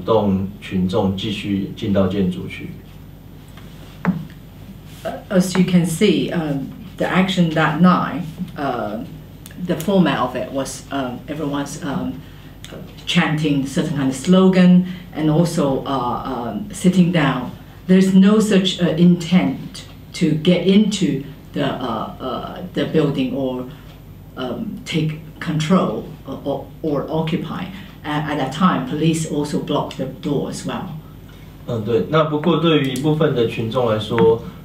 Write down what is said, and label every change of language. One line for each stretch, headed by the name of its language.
Chinese: 这一晚上的行动，那大家进去了之后，所有人就是在建筑的外围坐下来喊口号，然后警察就把建筑的门口堵住，然后就是不要让他们进去。那但其实，那个组织他们并没有要鼓动群众继续进到建筑去。
English: As you can see, the action that night, the format of it was everyone's chanting certain kind of slogan and also sitting down. There's no such intent to get into the building or take control or occupy. At that time, police also blocked the door as well.
Chinese: 对，那不过对于一部分的群众来说。